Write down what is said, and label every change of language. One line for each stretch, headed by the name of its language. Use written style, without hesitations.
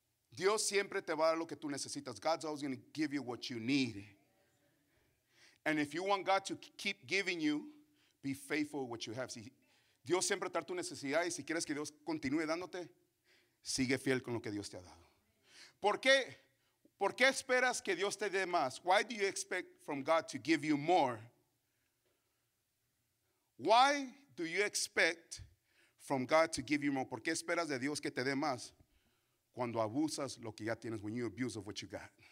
Spanish: Dios siempre te va a dar lo que tú necesitas.
English: God's always going to give you what you need. And if you want God to keep giving you, be faithful with what you have.
Spanish: Si Dios siempre te da tu necesidad, y si quieres que Dios continúe dándote, sigue fiel con lo que Dios te ha dado. ¿Por qué esperas que Dios te dé más?
English: Why do you expect from God to give you more? Why do you expect from God to give you more?
Spanish: ¿Por qué esperas de Dios que te dé más cuando abusas lo que ya tienes,
English: when you abuse of what you got?